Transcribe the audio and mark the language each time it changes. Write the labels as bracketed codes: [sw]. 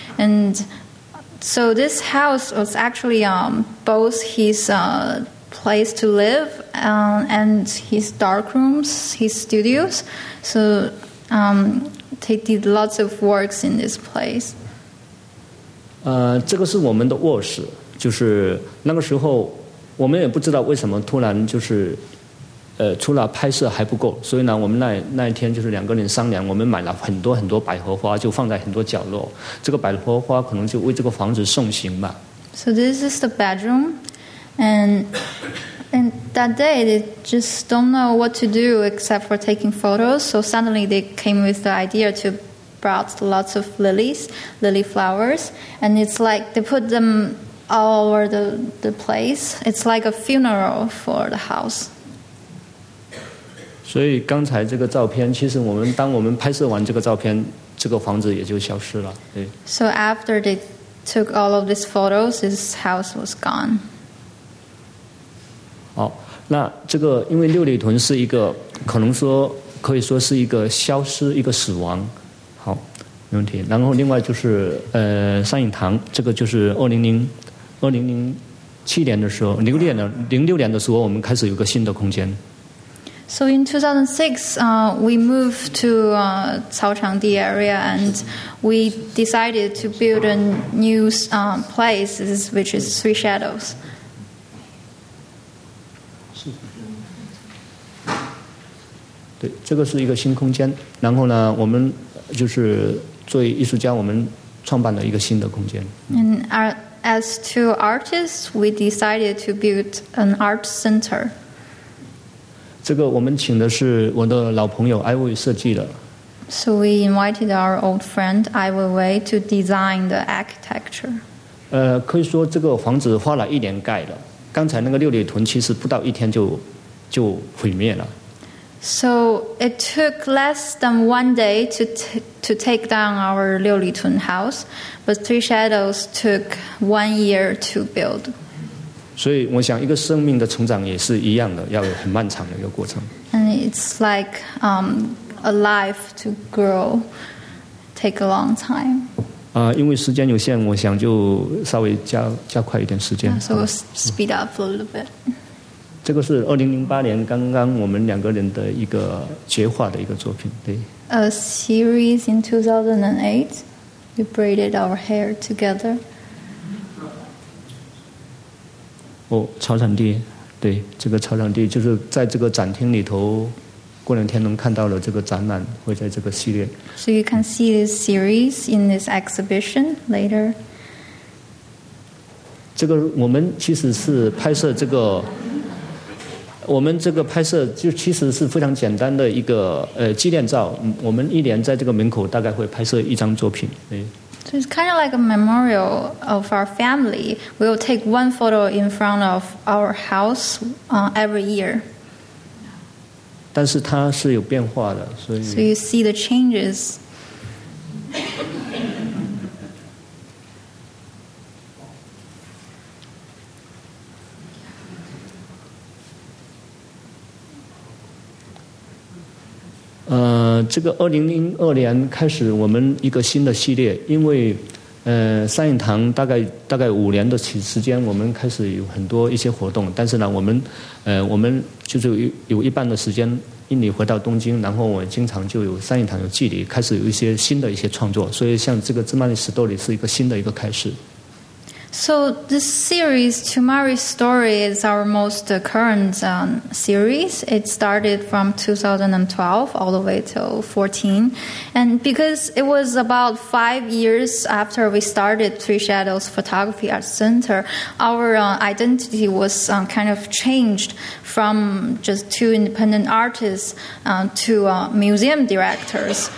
[en] And so this house was actually both his place to live and his dark rooms, his studios. So... They did lots of works in this place. [zh] 这个是我们的卧室，就是那个时候，我们也不知道为什么突然就是，除了拍摄还不够，所以呢，我们那一天就是两个人商量，我们买了很多很多百合花，就放在很多角落。这个百合花可能就为这个房子送行吧。 [en] So this is the bedroom, and that day, they just don't know what to do except for taking photos. So suddenly, they came with the idea to brought lots of lilies, lily flowers. And it's like they put them all over the place. It's like a funeral for the house. [zh] 所以刚才这个照片，其实我们当我们拍摄完这个照片，这个房子也就消失了。对。 [en] So after they took all of these photos, this house was gone. [zh] 好，那这个因为六里屯是一个可能说可以说是一个消失一个死亡，好，没问题。然后另外就是上影堂，这个就是2007年的时候，06年的时候我们开始有个新的空间。 [en] So in 2006, we moved to Cao Changdi area, and we decided to build a new place, which is Three Shadows. [zh] 对，这个是一个新空间，然后呢我们就是作为艺术家我们创办了一个新的空间。 [en] And as to artists, we decided to build an art center. [zh] 这个我们请的是我的老朋友 Ai Wei 设计的。 [en] So we invited our old friend Ai Weiwei to design the architecture. [zh] 可以说这个房子花了一年盖的，刚才那个六里屯其实不到一天就毁灭了。 [en] So it took less than one day to take down our Liu Li Tun house, but Three Shadows took 1 year to build. [zh] 所以我想一个生命的成长也是一样的，要有很漫长的一个过程。 [en] And it's like a life to grow, take a long time. [zh] 因为时间有限，我想就稍微加快一点时间。 [en] So we'll speed up a little bit. [zh] 这个是2008年刚刚我们两个人的一个结画的一个作品，对。 [en] A series in 2008, we braided our hair together. [zh] 哦，草场地，对，这个草场地就是在这个展厅里头过两天能看到了这个展览会在这个系列。 [en] So you can see this series in this exhibition later. [zh] 这个我们其实是拍摄这个，我们这个拍摄就其实是非常简单的一个纪念照。我们一年在这个门口大概会拍摄一张作品。 [en] So it's kind of like a memorial of our family. We will take one photo in front of our house every year. [zh] 但是它是有变化的，所以。 [en] So you see the changes. [zh] 这个2002年开始我们一个新的系列，因为三影堂大概五年的时间我们开始有很多一些活动，但是呢我们就是有一半的时间因你回到东京，然后我经常就有三影堂有距离开始有一些新的一些创作，所以像这个芝麻绿石豆里是一个新的一个开始。 [en] So this series, Tomari's Story, is our most current series. It started from 2012 all the way till 14. And because it was about 5 years after we started Three Shadows Photography Art Center, our identity was kind of changed from just two independent artists to museum directors.